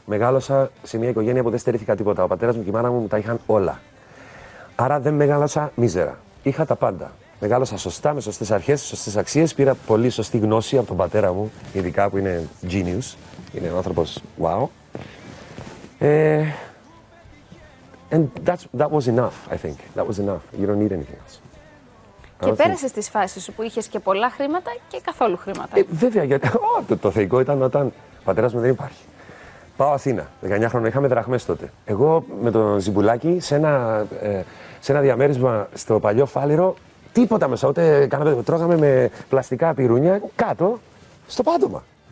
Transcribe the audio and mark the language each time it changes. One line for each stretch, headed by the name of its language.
Greek: Μεγάλωσα σε μια οικογένεια που δεν στερήθηκα τίποτα. Ο πατέρας μου και η μάνα μου τα είχαν όλα. Άρα δεν μεγάλωσα μίζερα. Είχα τα πάντα. Μεγάλωσα σωστά, με σωστές αρχές, σωστές αξίες. Πήρα πολύ σωστή γνώση από τον πατέρα μου, ειδικά που είναι genius. Είναι ο άνθρωπος wow.
English: And that was enough, I think. That was enough. You don't need anything else.
Greek: Και πέρασες τις φάσεις σου που είχες και πολλά χρήματα και καθόλου χρήματα. Βέβαια, γιατί το θεϊκό ήταν όταν ο πατέρας μου δεν υπάρχει. Πάω Αθήνα, 19 χρόνια, είχαμε δραχμές τότε. Εγώ με τον Ζιμπουλάκη σε ένα διαμέρισμα στο παλιό Φάληρο, τίποτα μέσα, ούτε κάναμε, τρώγαμε με πλαστικά πιρούνια κάτω στο πάτωμα.